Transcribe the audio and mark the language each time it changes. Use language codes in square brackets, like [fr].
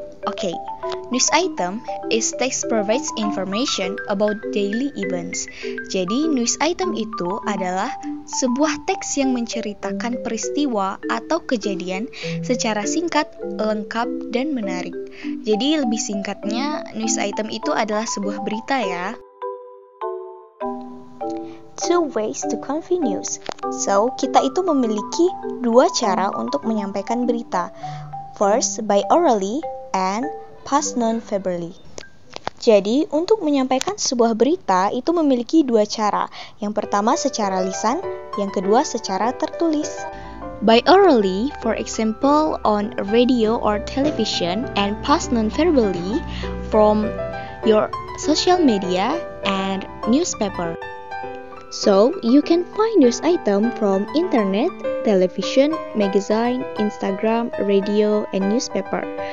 [en] Okay, news item is text provides information about daily events. [id] Jadi, news item itu adalah sebuah teks yang menceritakan peristiwa atau kejadian secara singkat, lengkap, dan menarik. Jadi, lebih singkatnya, news item itu adalah sebuah berita ya. [en] Two ways to convey news. [id] So, kita itu memiliki dua cara untuk menyampaikan berita. [en] First, by orally, and past non-verbally. [id] Jadi, untuk menyampaikan sebuah berita itu memiliki dua cara. Yang pertama secara lisan, yang kedua secara tertulis. [en] By orally, for example, on radio or television, and past non-verbally, from your social media and newspaper. So, you can find news item from internet, television, magazine, Instagram, radio, and newspaper.